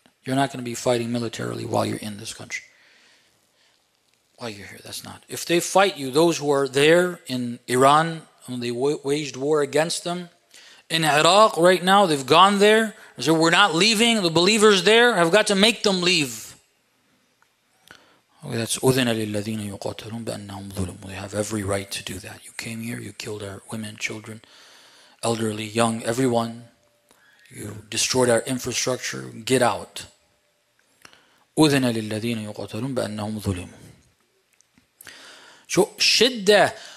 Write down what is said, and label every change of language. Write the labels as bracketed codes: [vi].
[en] You're not going to be fighting militarily while you're in this country. While you're here, that's not. If they fight you, those who are there in Iran, when they waged war against them, in Iraq right now, they've gone there. So we're not leaving. The believers there have got to make them leave. Okay, that's [ar] أُذِنَ لِلَّذِينَ يُقَاتَلُونَ بَأَنَّهُمْ ظُلُمُ. [en] They have every right to do that. You came here, you killed our women, children, elderly, young, everyone. You destroyed our infrastructure. Get out. [ar] أُذِنَ لِلَّذِينَ يُقَاتَلُونَ بَأَنَّهُمْ ظُلِمُ. [en] So شِدَّة.